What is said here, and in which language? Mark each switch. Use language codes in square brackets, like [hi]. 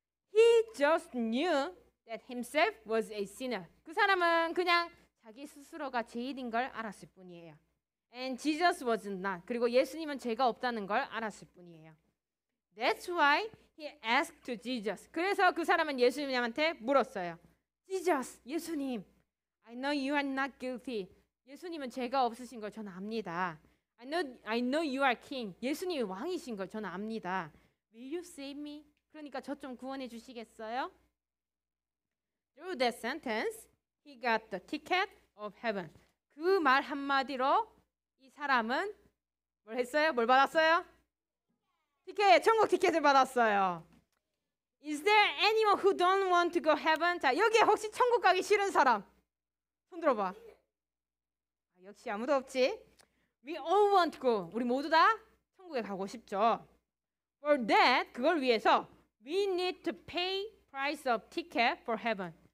[en] He just knew that himself was a sinner. [ko] 그 사람은 그냥 자기 스스로가 죄인인 걸 알았을 뿐이에요. [en] And Jesus was not. [ko] 그리고 예수님은 죄가 없다는 걸 알았을 뿐이에요. [en] That's why he asked to Jesus. [ko] 그래서 그 사람은 예수님한테 물었어요. [en] Jesus, 예수님, I know you are not guilty. [ko] 예수님은 죄가 없으신 걸 저는 압니다. [en] I know you are king. [ko] 예수님이 왕이신 걸 저는 압니다. [en] Will you save me? [ko] 그러니까 저 좀 구원해 주시겠어요? [en] Through that sentence, he got the ticket of heaven. [ko] 그 말 한마디로 이 사람은 뭘 했어요? 뭘 받았어요? 티켓, 천국 티켓을 받았어요. [en] Is there anyone who don't want to go heaven? [ko] 자, 여기에 혹시 천국 가기 싫은 사람? 손 들어봐. 아, 역시 아무도 없지. [en] We all want to go. [ko] 우리 모두 다 천국에 가고 싶죠. [en] For that, [ko] 그걸 위해서 [en] we need to pay price of ticket for heaven.